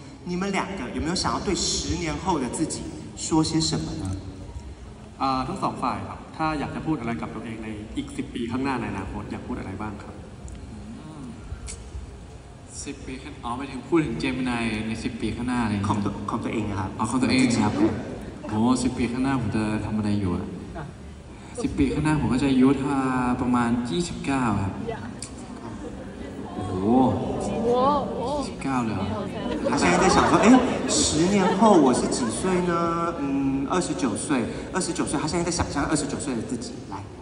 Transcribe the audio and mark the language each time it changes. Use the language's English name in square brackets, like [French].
[Chinese] 你们两个有没有想要对十年后的自己说些什么呢？ [Thai] ทั้งสองฝ่ายครับถ้าอยากจะพูดอะไรกับตัวเองในอีก10 ปีข้างหน้าในอนาคตอยากพูดอะไรบ้างครับ สิ 10ปีข้างหน้าอ๋อหมายถึงพูดถึงเจมินายใน10ปีข้างหน้าเลย ของตัวของตัวเองครับอ๋อของตัวเองครับโอ้10ปีข้างหน้าผมจะทำอะไรอยู่อ่ะ10ปีข้างหน้าผมก็จะอายุถ้าประมาณ29ครับโอ้โห29แล้ว ฉันก็ได้ [Chinese] 想说เอ๊ะ10年后我是几岁呢29岁29岁他现在在想象29岁的自己来